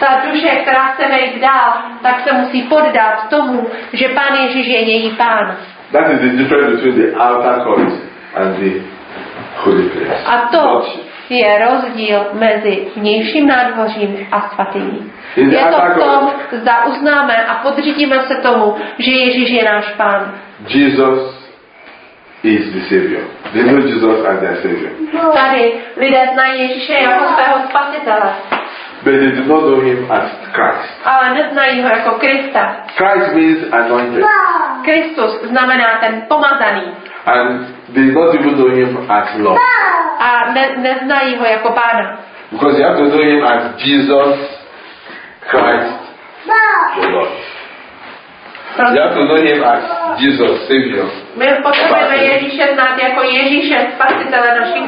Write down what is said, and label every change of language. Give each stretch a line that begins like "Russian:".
Czech: Ta duše, která se vejít dál, tak se musí poddat tomu, že Pán Ježíš je její Pán.
English: That is the difference between the outer court and the holy place.
Czech: A to lordship je rozdíl mezi vnějším nádvořím a svatyní. Je to v tom, zda uznáme a podřídíme se tomu, že Ježíš je náš Pán.
English: Jesus is the Savior. They know Jesus as their Savior.
Czech: Tady lidé znají Ježíše jako svého spasitele.
English: But they do not know him as Christ.
Czech: Ale neznají ho jako Krista.
English: Christ means anointed.
Czech: Kristus znamená ten pomazaný.
English: And they do not even know him as Lord.
Czech: A neznají ho jako Pána.
English: Because you have to know him as Jesus Christ the Lord. You have to know him as Jesus, Savior.
Czech: My potřebujeme Ježíše znát jako Ježíše, spasitele našich